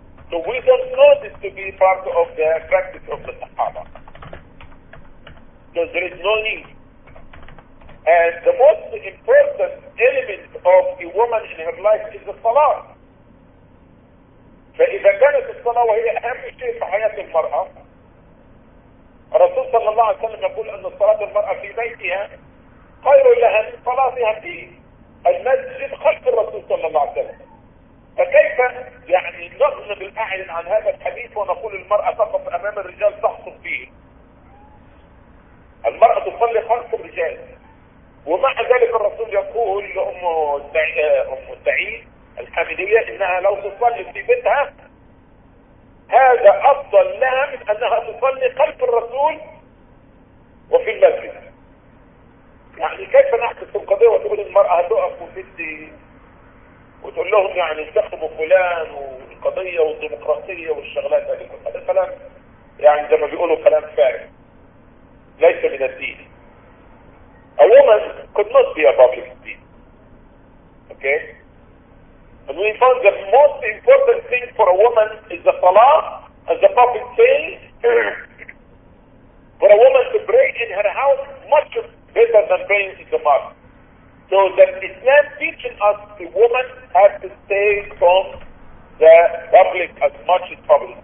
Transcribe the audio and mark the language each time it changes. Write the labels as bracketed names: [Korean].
[English] So we don't know this to be part of the practice of the Sahaba. So there is no need. And the most important element of a woman in her life is the Salah. [Arabic] فإذا كانت الصلاة وهي أهم شيء في حياة المرأة الرسول صلى الله عليه وسلم يقول أن الصلاة المرأة في بيتها خير لها من صلاتها في المسجد خلف الرسول صلى الله عليه وسلم فكيف يعني نغنى بالأعين عن هذا الحديث ونقول المرأة تقف أمام الرجال تحصل فيه المرأة تصلي خلف الرجال ومع ذلك الرسول يقول لأم سعيد الحاملية إنها لو تصلي في بيتها هذا أفضل لها من أنها تصلي خلف الرسول وفي المسجد يعني كيف نحكي في القضية وتقول المرأة تقف وتدي وتقول لهم يعني انتخبوا فلان والقضية والديمقراطية والشغلات هذه كلها هذا كلام يعني زي ما بيقولوا كلام فارغ ليس من الدين [English] A woman could not be a public speaker. Okay? And we found the most important thing for a woman is the salah, as the prophet says, for a woman to pray in her house much better than praying in the mosque. So that Islam teaching us the woman has to stay from the public as much as possible.